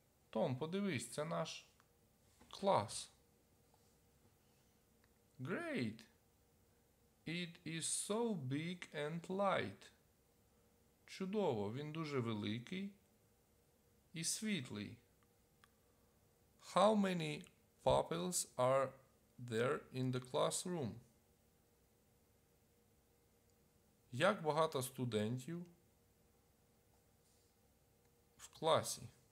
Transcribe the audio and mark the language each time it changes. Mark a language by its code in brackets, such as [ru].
[uk] Том, подивись, це наш клас. [en] Great. It is so big and light. [uk] Чудово, він дуже великий і світлий. [en] How many pupils are there in the classroom? [uk] Як багато студентів в класі?